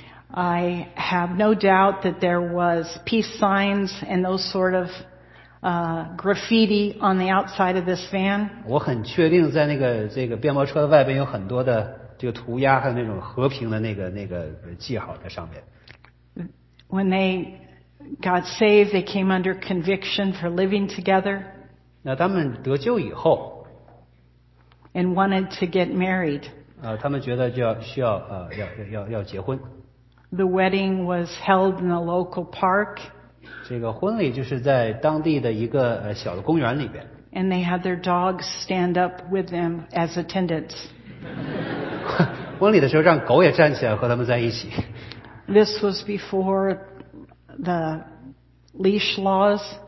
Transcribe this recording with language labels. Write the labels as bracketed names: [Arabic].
[English] I have no doubt that there was peace signs and those sort of graffiti on the outside of this van. [Chinese] 我很确定在那个这个面包车的外边有很多的这个涂鸦和那种和平的那个记号在上面。 [English] When they got saved, they came under conviction for living together. [Chinese] 那他们得救以后, [English] and wanted to get married. [Chinese] 他们觉得就要结婚。 [English] The wedding was held in a local park. [Chinese] 这个婚礼就是在当地的一个小的公园里边。 [English] And they had their dogs stand up with them as attendants. [Chinese] 婚礼的时候让狗也站起来和他们在一起。 [English] This was before the leash laws.